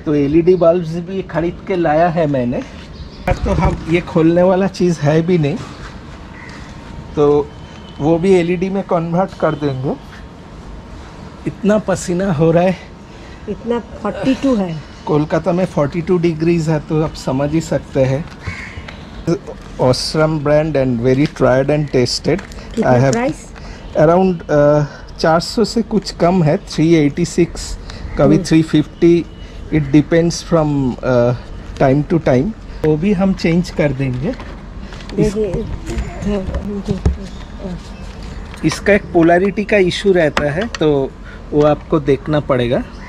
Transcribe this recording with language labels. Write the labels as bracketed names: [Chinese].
[Hindi] तो LED bulbs भी खरीद के लाया है मैंने। तो हम ये खोलने वाला चीज़ है भी नहीं तो वो भी LED में कन्वर्ट कर देंगे। इतना पसीना हो रहा है, इतना 42 है कोलकाता में, 42 डिग्रीज है तो आप समझ ही सकते हैं। [English] Osram brand and very tried and tested. I have price? Around 400 [Hindi] से कुछ कम है, [English] 386 कभी 350, it depends from time to time. [Hindi] वो भी हम change कर देंगे। इसका एक polarity का issue रहता है तो वो आपको देखना पड़ेगा।